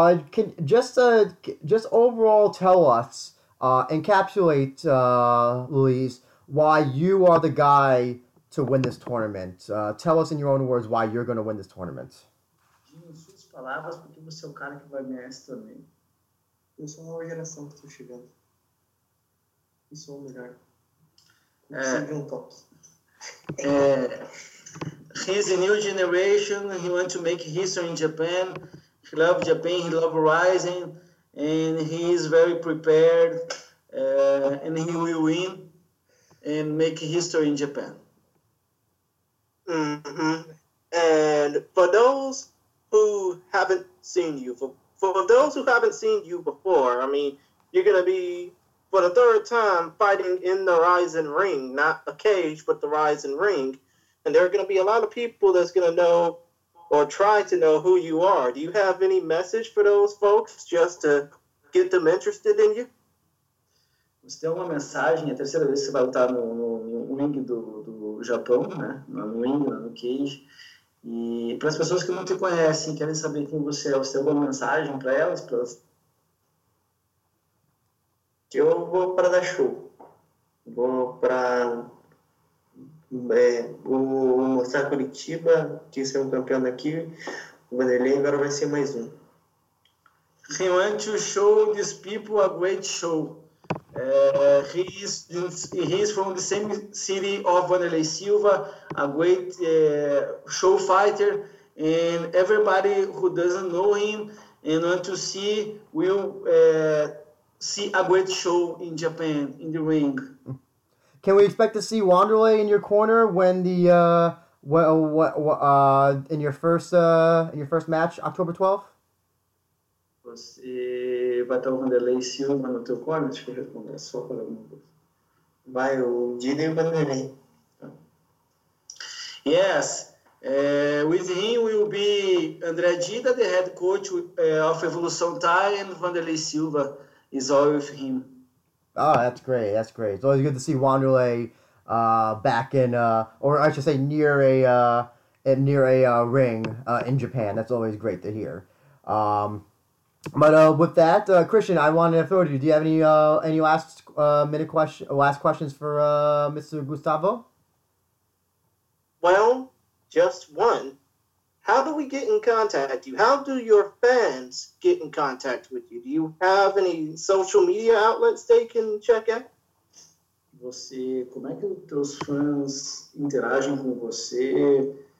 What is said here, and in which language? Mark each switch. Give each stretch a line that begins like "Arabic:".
English: Can overall tell us, encapsulate, Luis, why you are the guy to win this tournament. Tell us in your own words why you're going to win this tournament.
Portuguese: Em suas palavras, porque você é o cara que vai ganhar esse torneio. Eu sou uma nova geração que estou chegando. E sou o melhor.
English: He's a new generation. He wants to make history in Japan. he loves Japan, he loves Ryzen, and he is very prepared, and he will win and make history in Japan. And for those who haven't seen you, for those who haven't seen you before, I mean, you're going to be, for the third time, fighting in the Ryzen ring, not a cage, but the Ryzen ring. And there are going to be a lot of people that's going to know or try to know who you are. Do you have any message for those folks just to get them interested in you?
Portuguese: Você tem uma mensagem, é a terceira vez que você vai lutar no ringue do Japão, né? No ringue, no cage. E para as pessoas que não te conhecem, querem saber quem você é, você tem alguma mensagem para elas? Eu vou para dar show. Vou para mostrar Curitiba, que isso é um campeão daqui. O Vanderlei agora vai ser mais um.
English: He wants to show these people a great show. He is from the same city of Wanderlei Silva, a great show fighter, and everybody who doesn't know him and want to see will see a great show in Japan in the ring. Can we expect to see Wanderlei in your corner when the in your first match October 12th?
Portuguese: Você vai ter o Wanderlei Silva no teu corner? Deixa eu responder só para alguma coisa. Vai, o Dino e o Wanderlei.
English: Yes, with him will be André Dida, the head coach of Evolução Thai, and Wanderlei Silva is all with him. Oh, that's great, that's great. It's always good to see Wanderlei back in, or I should say near a ring in Japan. That's always great to hear. But with that, Christian, I wanted to throw to you. Do you have any last questions for Mr. Gustavo? Well, just one. How do we get in contact with you? How do your fans get in contact with you? Do you have any social media outlets they can check out?
Portuguese: Você, como é que os teus fãs interagem com você?